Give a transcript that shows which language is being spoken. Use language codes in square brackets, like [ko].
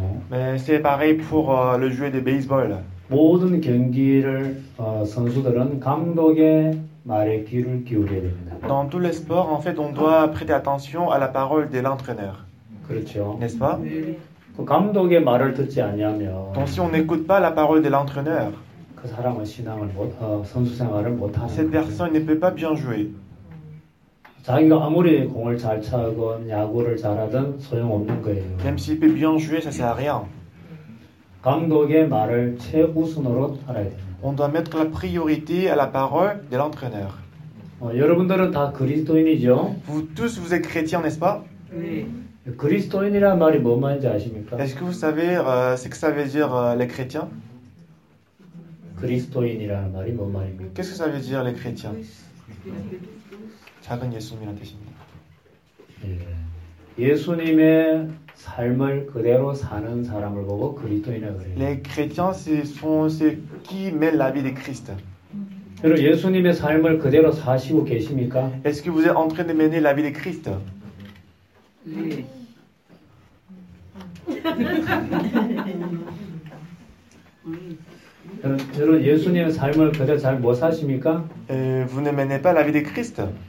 [fr] Mais c'est pareil pour le joueur de baseball. [ko] 모든 경기를 선수들은 감독의 말에 귀를 기울여야 됩니다. [fr] Dans tous les sports, en fait, on doit prêter attention à la parole de l'entraîneur. [ko] 그렇죠. [fr] N'est-ce pas? [ko] 그 감독의 말을 듣지 않냐면. [fr] Donc si on n'écoute pas la parole de l'entraîneur. [ko] 그 사람은 신앙을 못 선수 생활을 못 하는. [fr] Cette personne ne peut pas bien jouer. [ko] 자기가 아무리 공을 잘 차건 야구를 잘하든 소용없는 거예요. [fr] Même s'il peut bien jouer, ça sert à rien. [ko] 감독의 말을 최우선으로 알아야 됩니다. [fr] On doit mettre la priorité à la parole de l'entraîneur. [ko] 여러분들은 다 그리스도인이죠? [fr] Vous tous, vous êtes chrétiens, n'est-ce pas? [ko] 네. 그리스도인이란 말이 뭔 말인지 아십니까? [fr] Est-ce que vous savez ce que ça veut dire les chrétiens? [ko] 그리스도인이라는 말이 뭔 말입니까? [fr] Qu'est-ce que ça veut dire les chrétiens? [ko] 작은 예수님이란 뜻입니다. 예수님의 삶을 그대로 사는 사람을 보고 그리스도인이라 그래요. [fr] Les chrétiens sont ceux qui mettent la vie de Christ. [ko] 여러분 예수님의 삶을 그대로 사시고 계십니까? [fr] Est-ce que vous êtes en train de mener la vie de Christ? [ko] 네. 여러분 예수님의 삶을 그대로 잘 못 사십니까? [fr] Vous ne menez pas la vie de Christ?